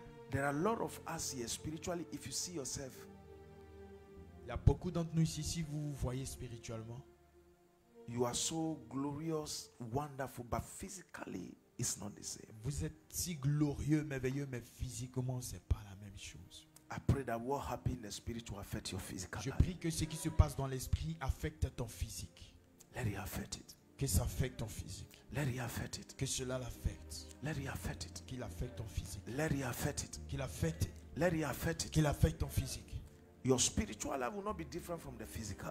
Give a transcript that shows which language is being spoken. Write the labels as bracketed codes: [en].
[en] There are a lot of us here spiritually. If you see yourself. [fr] Il y a beaucoup d'entre nous ici, si vous vous voyez spirituellement. [en] You are so glorious, wonderful, but physically, it's not the same. [fr] Vous êtes si glorieux, merveilleux, mais physiquement, c'est pas la même chose. [en] I pray that what happened in the spirit will affect your physical. [fr] Je prie que ce qui se passe dans l'esprit affecte ton physique. [en] Let it affect it. [fr] Que ça affecte ton physique. [en] Let it affect it. [fr] Que cela l'affecte. [en] Let it affect it. [fr] Qu'il affecte ton physique. [en] Let it affect it. [fr] Qu'il affecte. [en] Let it affect it. [fr] Qu'il affecte ton physique. [en] Your spiritual life will not be different from the physical.